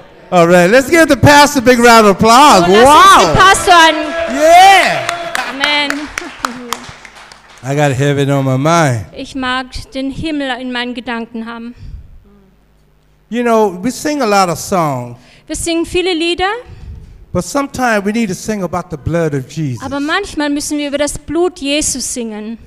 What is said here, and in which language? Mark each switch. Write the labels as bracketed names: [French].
[English] All right, let's give the pastor a big round of applause. Oh, wow. [German] Lass uns den Pastor einen [English] Yeah. Amen. I got heaven on my mind. [German] Ich mag den Himmel in meinen Gedanken haben. [English] You know, we sing a lot of songs. [German] Wir singen viele Lieder. [English] But sometimes we need to sing about the blood of Jesus. [German] Aber manchmal müssen wir über das Blut Jesu singen.